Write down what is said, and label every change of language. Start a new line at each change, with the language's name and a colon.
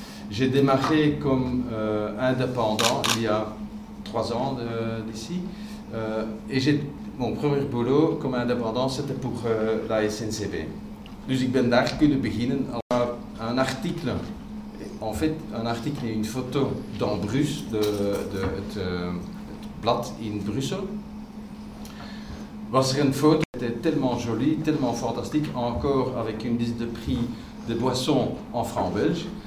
French: J'ai démarré comme indépendant il y a 3 ans d'ici. Et j'ai mon premier boulot comme indépendant, c'était pour la SNCB.
Dutch: Dus ik ben daar kunnen beginnen.
French: Un article, en fait, un article et une photo dans Bruxelles,
Dutch: het blad in Brussel. Was er
French: une photo qui était tellement jolie, tellement fantastique, encore avec une liste de prix de boissons en francs belges.